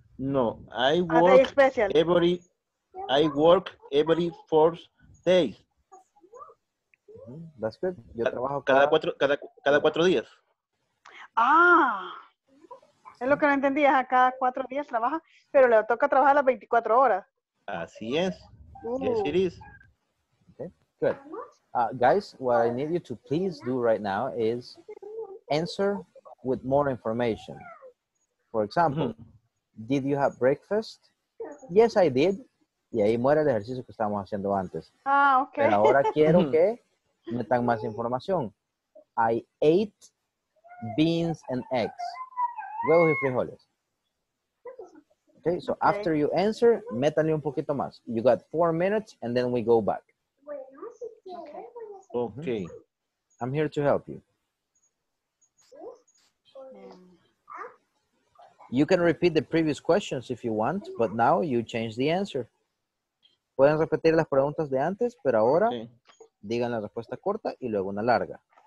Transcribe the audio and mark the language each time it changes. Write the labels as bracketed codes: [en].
[en] No, I work a day special. I work every fourth day. That's good. [es] Yo trabajo cada cuatro días. Ah, es lo que no entendía. Cada cuatro días trabaja, pero le toca trabajar las 24 horas. Así es. [en] Yes, it is. Okay, good. Guys, what I need you to please do right now is answer with more information. For example, did you have breakfast? Yes, I did. [es] Y ahí muere el ejercicio que estábamos haciendo antes. Ah, ok. Pero ahora quiero que metan más información. [en] I ate beans and eggs. [es] Huevos y frijoles. [en] Okay, so after you answer, [es] métanle un poquito más. [en] You got 4 minutes and then we go back. Okay. I'm here to help you. You can repeat the previous questions if you want, but now you change the answer. [es] Pueden repetir las preguntas de antes, pero ahora digan la respuesta corta y luego una larga.